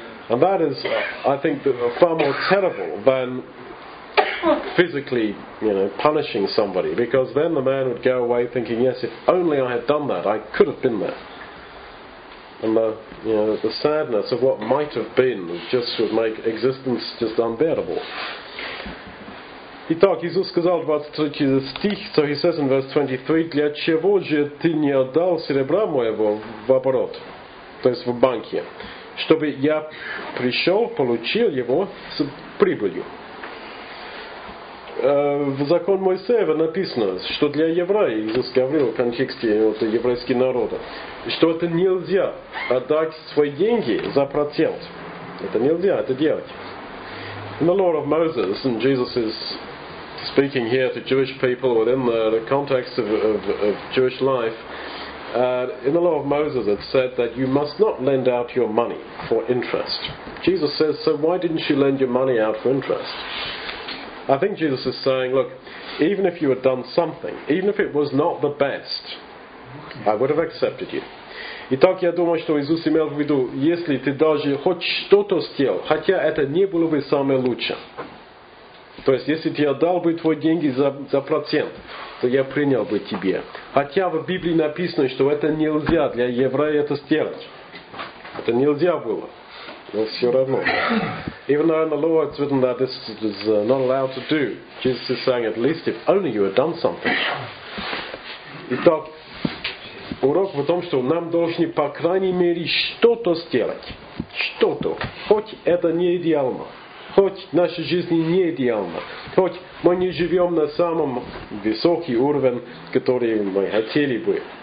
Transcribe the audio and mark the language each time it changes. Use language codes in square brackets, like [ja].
[en] And that is, I think, far more terrible than physically, you know, punishing somebody, because then the man would go away thinking, yes, if only I had done that, I could have been there. And the sadness of what might have been just would make existence just unbearable. [ru] Итак, Иисус сказал 23 стих, [en] so he says in verse 23, [ru] для чего же ты не отдал серебра моего в оборот, то есть в банке, чтобы я пришел, получил его с прибылью. В закон Моисеева написано, что для еврея, Иисус говорил в контексте вот, еврейского народа, что это нельзя отдать свои деньги за процент. Это нельзя это делать. [en] The law of Moses, and Jesus is speaking here to Jewish people within the context of Jewish life. In the law of Moses it said that you must not lend out your money for interest. Jesus says, so why didn't you lend your money out for interest? I think Jesus is saying, look, even if you had done something, even if it was not the best, I would have accepted you. [ru] Итак, я думаю, что Иисус имел в виду, если ты даже хоть что-то сделал, хотя это не было бы самое лучшее. То есть, если ты отдал бы твои деньги за процент, то я принял бы тебе. Хотя в Библии написано, что это нельзя для еврея это сделать. Это нельзя было. Но все равно. [en] Even though in the law it's written that this is not allowed to do, Jesus is saying, at least if only you had done something. [ru] Итак, урок в том, что нам должны по крайней мере что-то сделать. Что-то. Хоть это не идеально. Хоть наша жизнь не идеальна. Хоть мы не живем на самом высоком уровне, который мы хотели бы.